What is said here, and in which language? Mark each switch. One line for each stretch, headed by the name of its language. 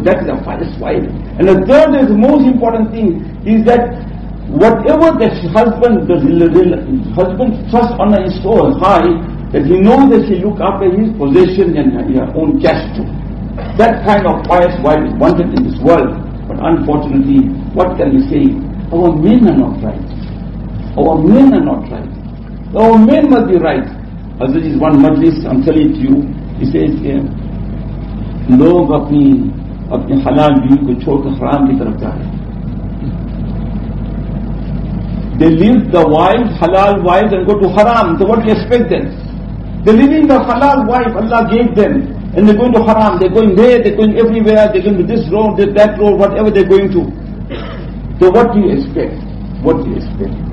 English: That is a pious wife. And the third is the most important thing is that whatever that husband husband trust on her is so high that he knows that she look after his possession and her own cash too. That kind of pious wife is wanted in this world. But unfortunately, what can we say? Our men are not right. Our men are not right. Our men must be right. As this is one majlis, I'm telling it to you. He says here,
Urdu: لوگ اپنی حلال بیوی کو چھوڑ کر حرام کی طرف جا رہے ہیں.
English: They leave the wife, halal wife, and go to haram. So what do you expect them? They're leaving the halal wife Allah gave them, and they're going to haram. They're going there, they're going everywhere, they're going to this road, that road, whatever they're going to. So what do you expect? What do you expect?